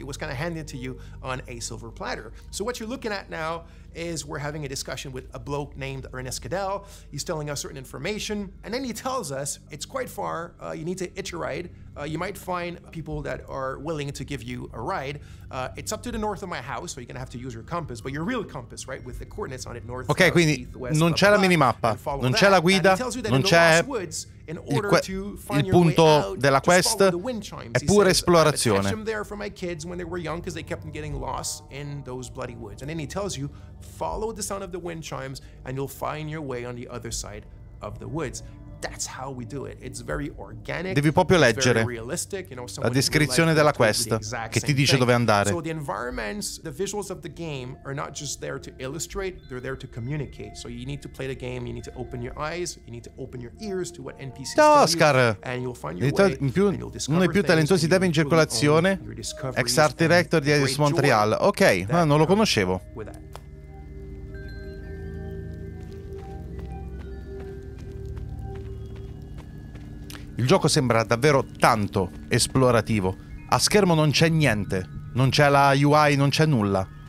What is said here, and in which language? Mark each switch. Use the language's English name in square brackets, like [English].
[English] It was kind of handed to you on a silver platter. So what you're looking at now is we're having a discussion with a bloke named Ernest Cadell. He's telling us certain information, and then he tells us it's quite far. You need to hitch a ride. You might find people that are willing to give you a ride. It's up to the north of my house, so you're gonna have to use your compass, but your real compass, right, with the coordinates on it, north, okay, south, [Italian] quindi [English] east, west, [Italian] non c'è la minimappa, non c'è la guida, non c'è il punto della quest, è pura esplorazione. [English] I catch them there for my kids when they were young, because they kept getting lost in those bloody woods. And then he tells you, follow the sound of the wind chimes, and you'll find your way on the other side of the woods. that's how we do it. It's very organic. [Italian] Devi proprio leggere [English] very realistic, you know, [Italian] la descrizione della quest che ti dice dove andare. [English] So the environments, the visuals of the game are not just there to illustrate, they're there to communicate. So you need to play the game, you need to open your eyes, you need to open your ears to what NPCs tell you. Oscar, and you'll find your way. [Italian] In più, uno dei più talentuosi dev in circolazione, ex art director di Alice Montreal. Ok, ma non lo conoscevo. Il gioco sembra davvero tanto esplorativo. A schermo non c'è niente, non c'è la UI, non c'è nulla.